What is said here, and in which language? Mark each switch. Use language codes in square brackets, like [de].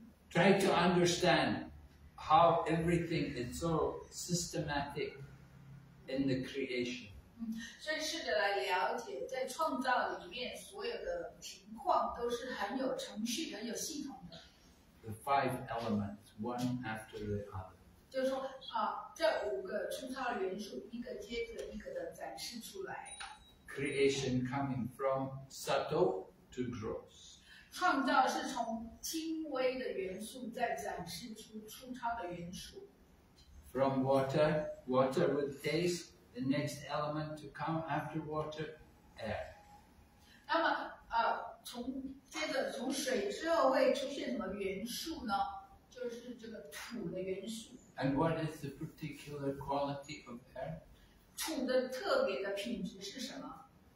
[en] Try to understand how everything is so systematic in the creation. [zh] 所以试着来了解，在创造里面所有的情况都是很有程序、很有系统的。 [en] The five elements, one after the other. [zh] 就是说，这五个创造元素一个接着一个的展示出来。 [en] Creation coming from subtle to gross. [zh] 创造是从轻微的元素再展示出粗糙的元素。 [en] From water, water with taste, the next element to come after water, air. [zh] 那么，从接着从水之后会出现什么元素呢？就是这个土的元素。 [en] And what is the particular quality of air? [zh] 土的特别的品质是什么？